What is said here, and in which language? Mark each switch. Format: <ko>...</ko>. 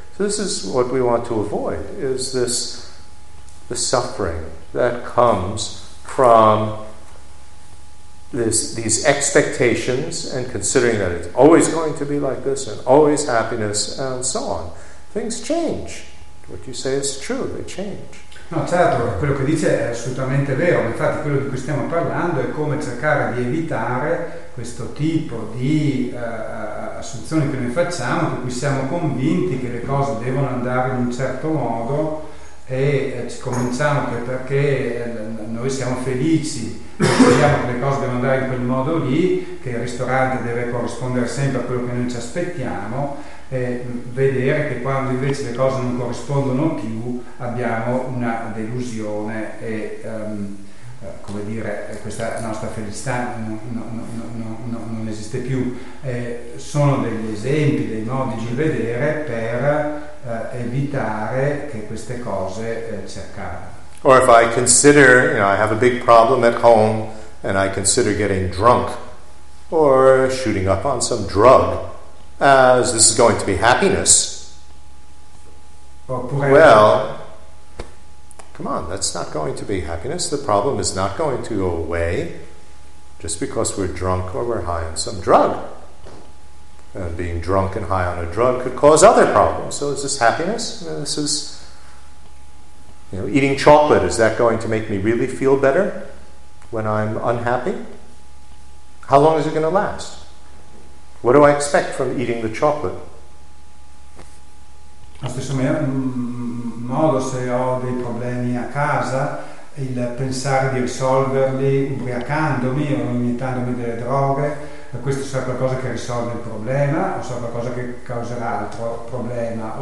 <en>So this is what we want to avoid, is this the suffering that comes from these expectations and considering that it's always going to be like this and always happiness and so on. Things change. What you say is true, they change.</en> <it>No, certo, quello che dice è assolutamente vero, infatti quello di cui stiamo parlando è come cercare di evitare questo tipo di assunzioni che noi facciamo, per cui siamo convinti che le cose devono andare in un certo modo e ci convinciamo che perché noi siamo felici e crediamo che le cose devono andare in quel modo lì, che il ristorante deve corrispondere sempre a quello che noi ci aspettiamo, e vedere che quando invece le cose non corrispondono più abbiamo una delusione e come dire, questa nostra felicità non esiste più. Sono degli esempi, dei modi di vedere per evitare che queste cose ci accadano.</it> <en>Or if I consider, you know, I have a big problem at home and I consider getting drunk or shooting up on some drug as this is going to be happiness. Well, come on, that's not going to be happiness. The problem is not going to go away just because we're drunk or we're high on some drug. And being drunk and high on a drug could cause other problems. So is this happiness? I mean, this is, you know, eating chocolate, is that going to make me really feel better when I'm unhappy? How long is it going to last? What do I expect from eating the chocolate?</en> <it>Allo stesso modo, se ho dei problemi a casa, il pensare di risolverli ubriacandomi o iniettandomi delle droghe, questo sarà qualcosa che risolve il problema o sarà qualcosa che causerà altro problema?</it>